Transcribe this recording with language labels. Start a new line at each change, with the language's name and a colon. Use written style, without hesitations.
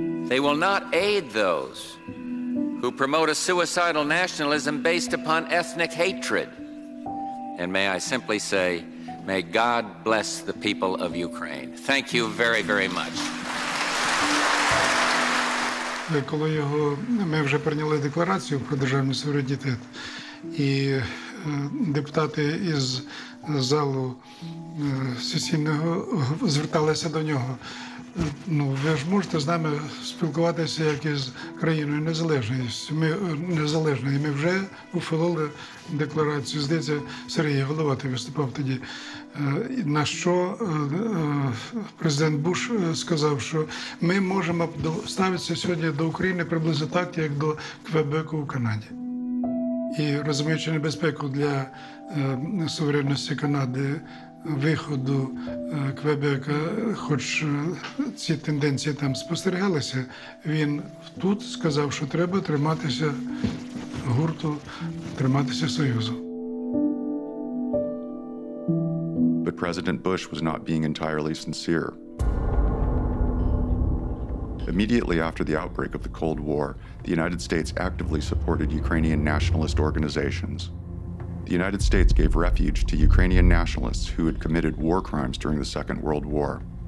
English: They will not aid those who promote a suicidal nationalism based upon ethnic hatred. And may I simply say, may God bless the people of Ukraine. Thank you very, very much.
Ukrainian: Коли його, ми вже прийняли декларацію про державний суверенітет, і депутати із залу сесійного зверталися до нього. Ну, ви ж можете з нами спілкуватися, як із країною незалежною. Ми незалежні, ми вже ухвалили декларацію. Здається, Сергій Голова ти виступав тоді. На що президент Буш сказав, що ми можемо ставитися сьогодні до України приблизно так, як до Квебеку у Канаді. І розуміючи небезпеку для суверенності Канади, виходу Квебека, хоч ці тенденції там спостерігалися, він тут сказав, що треба триматися гурту, триматися Союзу.
English: But President Bush was not being entirely sincere. Immediately after the outbreak of the Cold War, the United States actively supported Ukrainian nationalist organizations. The United States gave refuge to Ukrainian nationalists who had committed war crimes during the Second World War.